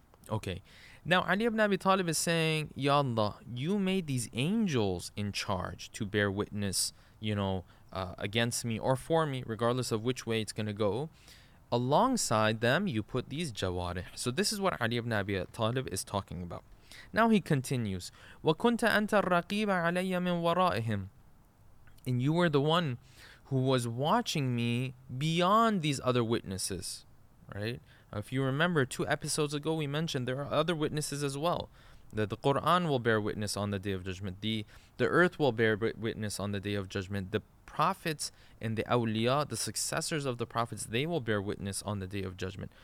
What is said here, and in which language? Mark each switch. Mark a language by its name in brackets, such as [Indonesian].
[English] Okay, now Ali ibn Abi Talib is saying, Ya Allah, you made these angels in charge to bear witness, you know, against me or for me, regardless of which way it's going to go. Alongside them, you put these jawarih. So this is what Ali ibn Abi Talib is talking about. Now he continues, [Arabic] وَكُنْتَ أَنْتَ الرَّقِيبَ عَلَيَّ مِنْ وَرَائِهِمْ. [English] And you were the one who was watching me beyond these other witnesses, right? If you remember, two episodes ago, we mentioned there are other witnesses as well, that the Quran will bear witness on the Day of Judgment. The earth will bear witness on the Day of Judgment. The prophets and the awliya, the successors of the prophets, they will bear witness on the Day of Judgment.